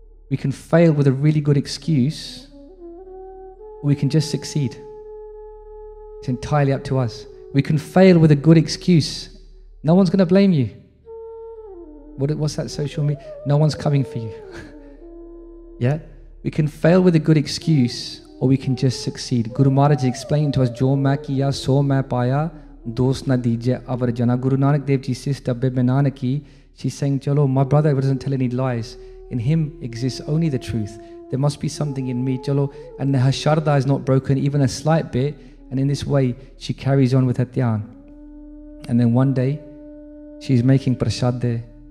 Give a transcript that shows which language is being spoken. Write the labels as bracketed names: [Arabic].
[English] We can fail with a really good excuse, or we can just succeed. It's entirely up to us. We can fail with a good excuse. No one's going to blame you. What's that social media? No one's coming for you. Yeah? We can fail with a good excuse, or we can just succeed. [Punjabi] Guru Maharaj [English] is explaining to us, [Punjabi] ਜੋ ਮੈਂ ਕੀਆ ਸੋ ਮੈਂ ਪਾਇਆ, ਦੋਸਤ ਨਾ ਦੀਜੇ ਅਵਰ ਜਨਾ. [English] Guru Nanak Dev Ji's sister, Bibi Nanaki, she's saying, Chalo, my brother doesn't tell any lies. In him exists only the truth. There must be something in me, Chalo. And the Hasharda is not broken, even a slight bit. And in this way, she carries on with her Dhyan. And then one day, she's making prasad there.